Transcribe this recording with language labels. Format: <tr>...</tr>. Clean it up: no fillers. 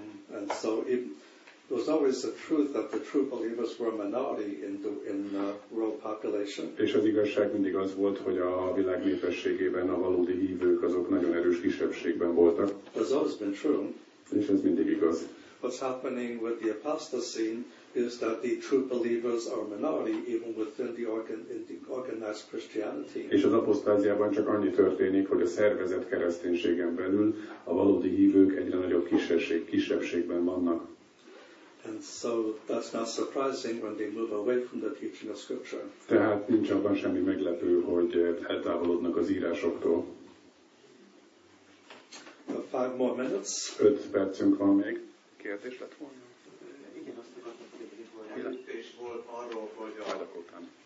<en>And so it was always the truth that the true believers were a minority in the world population.</en> <hu>És az igazság mindig az volt, hogy a világ népességében a valódi hívők azok nagyon erős kisebbségben voltak.</hu> <en>It's always been true.</en> <hu>És ez mindig igaz.</hu> <en>What's happening with the apostasy is that the true believers are minority even within the organized Christianity.</en> <hu>És az apostáziában csak annyi történik, hogy a szervezett kereszténységen belül a valódi hívők egyre nagyobb kisebbségben vannak.</hu> <en>And so that's not surprising when they move away from the teaching of scripture.</en> <hu>Tehát nincs abban semmi meglepő, hogy eltávolodnak az írásoktól.</hu> <en>Five more minutes.</en> <hu>5 percünk van még. Kérdés lett volna? Igen, azt akartam kérdezni, hogy kérdés volt arról, hogy a</hu>